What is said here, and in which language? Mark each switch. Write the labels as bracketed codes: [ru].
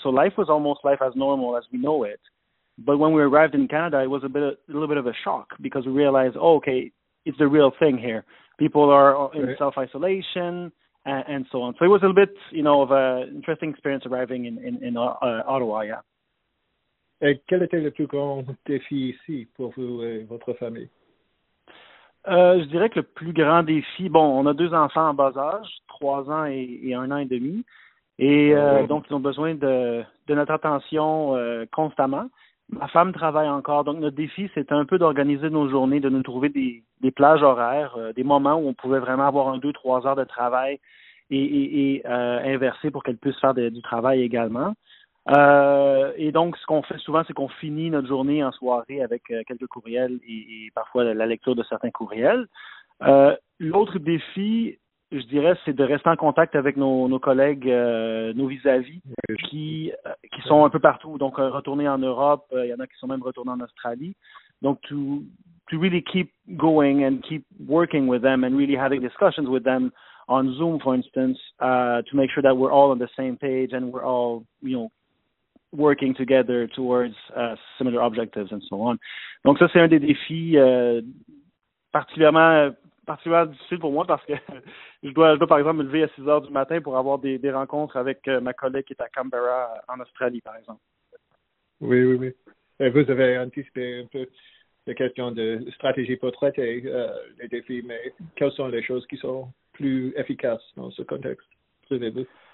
[en] So life was almost life as normal as we know it. But when we arrived in Canada, it was a little bit of a shock because we realized, oh, okay, it's the real thing here. People are in self-isolation and so on. So it was a little bit, you know, of an interesting experience arriving in Ottawa, yeah. [fr] Et quel était le plus grand défi ici pour vous et votre famille? Je dirais que le plus grand défi, bon, on a deux enfants en bas âge, 3 ans et 1 an et demi. Et donc, ils ont besoin de notre attention constamment. Ma femme travaille encore, donc notre défi, c'était un peu d'organiser nos journées, de nous trouver des plages horaires, des moments où on pouvait vraiment avoir 2-3 heures de travail et inverser pour qu'elle puisse faire du travail également. Et donc, ce qu'on fait souvent, c'est qu'on finit notre journée en soirée avec quelques courriels et parfois la lecture de certains courriels. L'autre défi, je dirais, c'est de rester en contact avec nos collègues, nos vis-à-vis qui sont un peu partout. Donc, retourner en Europe, il y en a qui sont même retournés en Australie. [en] Donc, to really keep going and keep working with them and really having discussions with them on Zoom, for instance, to make sure that we're all on the same page and we're all, you know, working together towards similar objectives and so on. [fr] Donc, ça, c'est un des défis particulièrement difficile pour moi parce que je dois, par exemple, me lever à 6 heures du matin pour avoir des rencontres avec ma collègue qui est à Canberra, en Australie, par exemple. Oui, oui, oui. Et vous avez anticipé un peu la question de stratégie pour traiter les défis, mais quelles sont les choses qui sont plus efficaces dans ce contexte, prévez-vous?